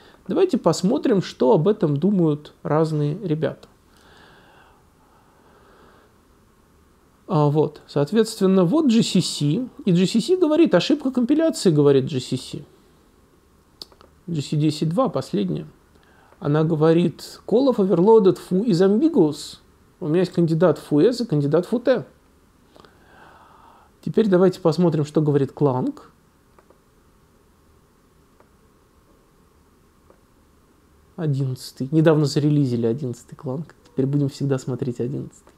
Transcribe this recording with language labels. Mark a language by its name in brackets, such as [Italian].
[Russian] Давайте посмотрим, что об этом думают разные ребята. Вот, соответственно, вот GCC, и GCC говорит, ошибка компиляции, говорит GCC. GC10.2, последняя. Она говорит, [English] call of overloaded foo is ambiguous. [Russian] У меня есть кандидат foo-s и кандидат foo-t. Теперь давайте посмотрим, что говорит Clang. Одиннадцатый. Недавно зарелизили 11-й Clang. Теперь будем всегда смотреть 11-й.